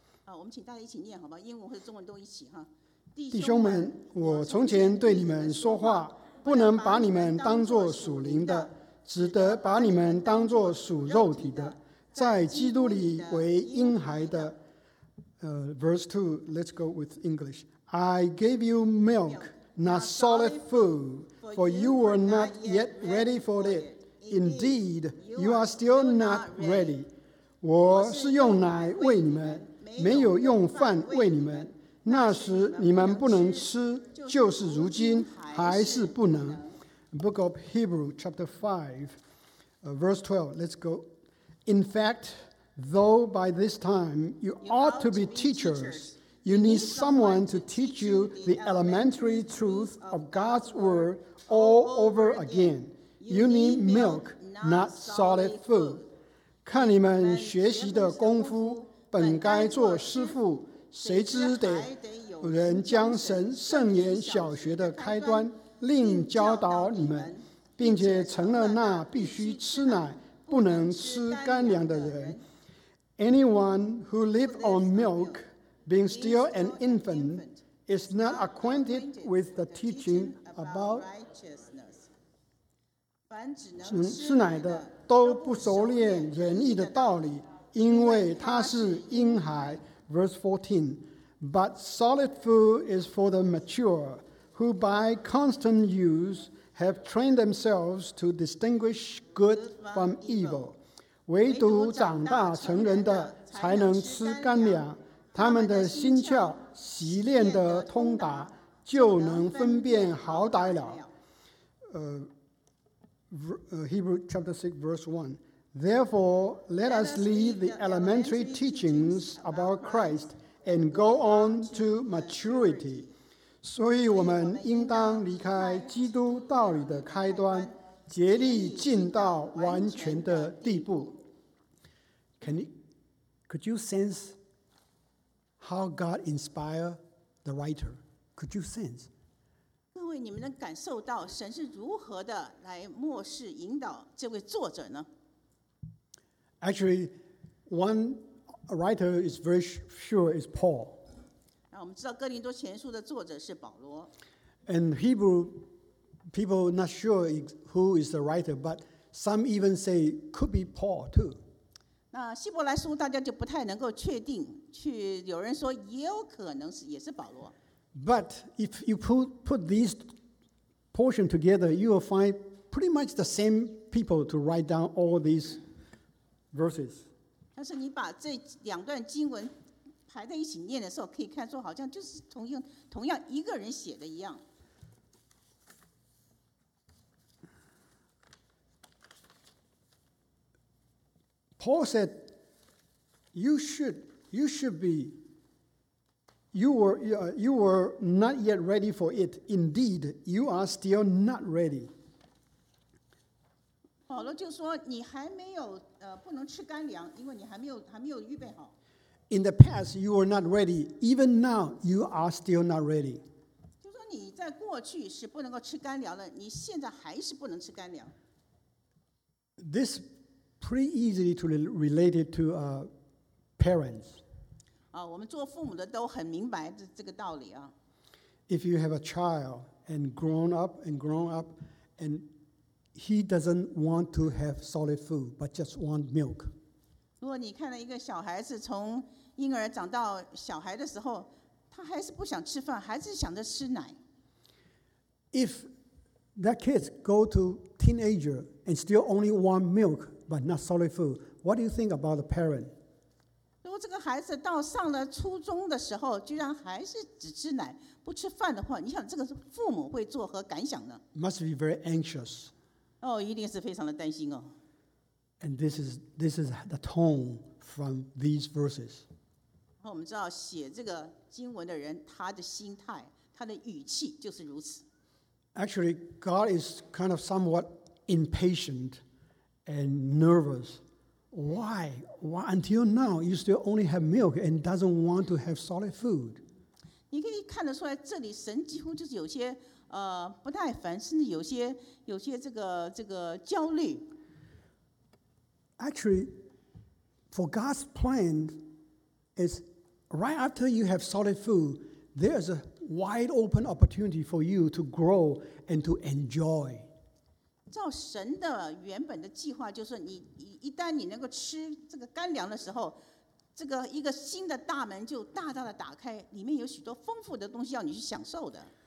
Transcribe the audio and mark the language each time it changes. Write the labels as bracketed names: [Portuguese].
[Chinese] 我们请大家一起念好吧，英文或者中文都一起哈。弟兄们，我从前对你们说话，不能把你们当作属灵的，只得把你们当作属肉体的，在基督里为婴孩的。 [English] Verse 2, let's go with English. I gave you milk, not solid food, for you were not yet ready for it. Indeed, you are still not ready. [Chinese] 我是用奶喂你们。没有用饭喂你们，那时你们不能吃，就是如今还是不能。 [English] Book of Hebrew, chapter 5, verse 12, let's go. In fact, though by this time you ought to be teachers, you need someone to teach you the elementary truth of God's word all over again. You need milk, not solid food. [Chinese] 看你们学习的功夫本该做师父，谁知得人将神圣言小学的开端另教导你们，并且成了那必须吃奶不能吃干粮的人。 [English] Anyone who lives on milk, being still an infant, is not acquainted with the teaching about righteousness. [Chinese] 吃奶的都不熟练仁义的道理，因为他是婴孩。 [English] Verse 14. But solid food is for the mature, who by constant use have trained themselves to distinguish good from evil. [Chinese] 唯独长大成人的才能吃干粮，他们的心窍习练得通达，就能分辨好歹了。 [English] Hebrew chapter 6 verse 1. Therefore, let us leave the elementary teachings about Christ and go on to maturity. [Chinese] 所以我们应当离开基督道理的开端，竭力进到完全的地步。 [English] Could you sense how God inspired the writer? Could you sense? [Chinese] 你们能感受到神是如何的来默示引导这位作者呢？ [English] Actually, one writer is very sure is Paul. [Chinese] 我们知道哥林多前书的作者是保罗。 [English] And Hebrew people not sure who is the writer, but some even say could be Paul too. [Chinese] 那希伯来书大家就不太能够确定，去有人说也有可能是也是保罗。 [English] But if you put these portions together, you will find pretty much the same people to write down all these verses. [Chinese] 但是你把这两段经文排在一起念的时候，可以看出好像就是同样一个人写的一样。 [English] Paul said, "You should be." You were not yet ready for it. Indeed, you are still not ready. [Chinese] 保罗就说你还没有不能吃干粮，因为你还没有预备好。 [English] In the past, you were not ready. Even now, you are still not ready. [Chinese] 就说你在过去是不能够吃干粮的，你现在还是不能吃干粮。 [English] This pretty easily to related to parents. [Chinese] 我们做父母的都很明白这个道理啊。 [English] If you have a child and grown up, and he doesn't want to have solid food but just want milk. [Chinese] 如果你看到一个小孩子从婴儿长到小孩的时候，他还是不想吃饭，还是想着吃奶。 [English] If that kid go to teenager and still only want milk but not solid food, what do you think about the parent? [Chinese] 这个孩子到上了初中的时候，居然还是只吃奶不吃饭的话，你想这个父母会作何感想呢？ [English] Must be very anxious. [Chinese] 一定是非常的担心哦。 [English] And this is the tone from these verses. [Chinese] 我们知道写这个经文的人，他的心态，他的语气就是如此。 [English] Actually, God is kind of somewhat impatient and nervous. Why until now you still only have milk and doesn't want to have solid food? [Chinese] 你可以看得出来，这里神几乎就是有些不耐烦，甚至有些这个焦虑。 [English] Actually, for God's plan is right after you have solid food, there is a wide open opportunity for you to grow and to enjoy. [Chinese] 照神的原本的计划，就是你一旦你能够吃这个干粮的时候，这个一个新的大门就大大的打开，里面有许多丰富的东西要你去享受的。